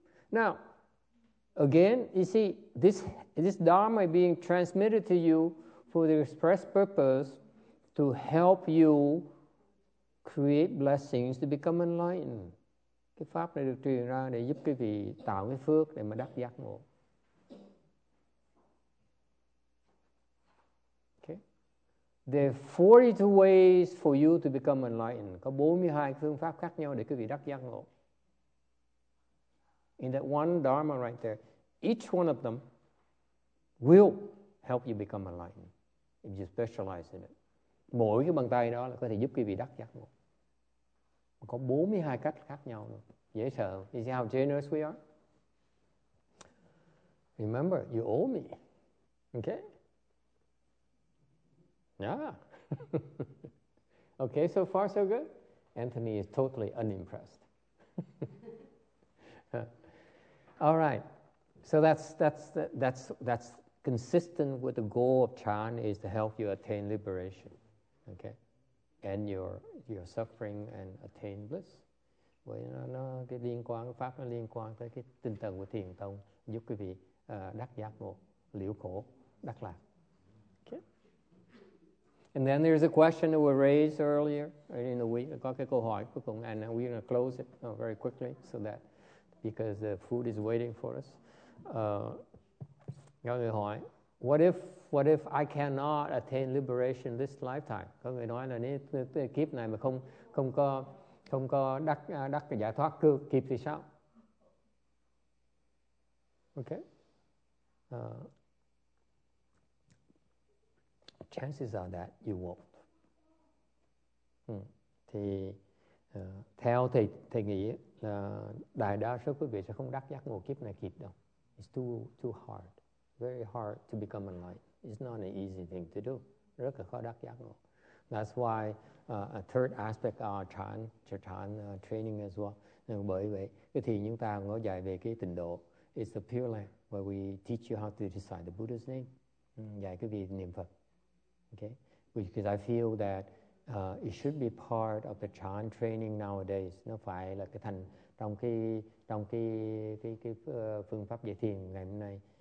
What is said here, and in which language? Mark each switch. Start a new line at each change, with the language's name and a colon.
English: Now, again, you see, this Dharma being transmitted to you for the express purpose to help you create blessings to become enlightened.
Vietnamese: Cái pháp này được truyền ra để giúp quý vị tạo cái phước để mà đắc giác ngộ.
English: Okay. There are 42 ways for you to become enlightened.
Vietnamese: Có 42 phương pháp khác nhau để quý vị đắc giác ngộ.
English: In that one Dharma right there, each one of them will help you become enlightened if you specialize in it.
Vietnamese: Mỗi cái bàn tay đó là có thể giúp quý vị đắc giác ngộ. Có 42 cách khác nhau luôn. Dễ sợ.
English: You see how generous we are? Remember, you owe me. Okay? Yeah. Okay, so far so good? Anthony is totally unimpressed. All right. So that's consistent with the goal of Chan is to help you attain liberation. Okay? And your suffering and attain bliss.
Vietnamese: Vậy nó cái liên quan, cái pháp nó liên quan tới cái tinh thần của thiền tông giúp quý vị đắc giác ngộ, liễu khổ, đắc lạc.
English: Okay. And then there's a question that was raised earlier in the week.
Vietnamese: Có cái câu hỏi cuối cùng,
English: and we're going to close it very quickly so that because the food is waiting for us.
Vietnamese: Có người hỏi,
English: what if I cannot attain liberation this lifetime?
Vietnamese: Có người nói là nếu kiếp này mà không có đắc giải thoát cơ kịp thì sao?
English: Okay. Chances are that you won't.
Vietnamese: Thì theo thầy nghĩ là đại đa số quý vị sẽ không đắc giác ngộ kiếp này kịp đâu.
English: It's too hard. Very hard to become enlightened. It's not an easy thing to do.
Vietnamese: Rất là khó đắc giác ngộ.
English: That's why a third aspect of chan training as well.
Vietnamese: And bởi vậy, cái thiền chúng ta nói dài về cái tình độ.
English: It's the Pure Land where we teach you how to recite the Buddha's name.
Vietnamese: Dạy quý vị niệm Phật.
English: Okay? Because I feel that it should be part of the chan training nowadays.
Vietnamese: Nó phải là cái thành trong cái phương pháp dạy thiền ngày hôm nay.